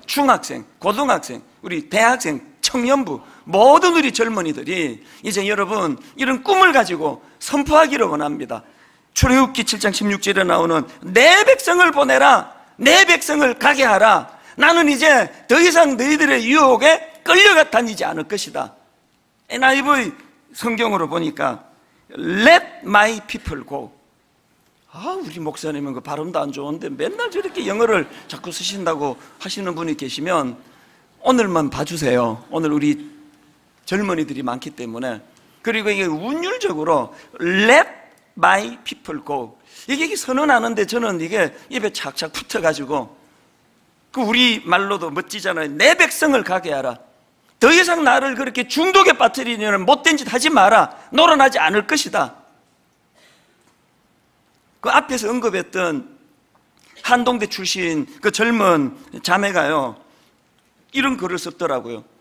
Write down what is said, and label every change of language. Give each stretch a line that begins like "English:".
Korean: 중학생, 고등학생, 우리 대학생, 청년부, 모든 우리 젊은이들이 이제 여러분 이런 꿈을 가지고 선포하기를 원합니다. 출애굽기 7장 16절에 나오는 내 백성을 보내라, 내 백성을 가게 하라, 나는 이제 더 이상 너희들의 유혹에 끌려가 다니지 않을 것이다.
English: NIV
Korean: 성경으로 보니까
English: Let my people go.
Korean: 아, 우리 목사님은 그 발음도 안 좋은데 맨날 저렇게 영어를 자꾸 쓰신다고 하시는 분이 계시면 오늘만 봐주세요. 오늘 우리 젊은이들이 많기 때문에. 그리고 이게 운율적으로
English: Let my people go.
Korean: 이게 선언하는데 저는 이게 입에 착착 붙어가지고 그 우리 말로도 멋지잖아요. 내 백성을 가게 하라. 더 이상 나를 그렇게 중독에 빠뜨리려는 못된 짓 하지 마라. 놀아나지 않을 것이다. 그 앞에서 언급했던 한동대 출신 그 젊은 자매가요, 이런 글을 썼더라고요.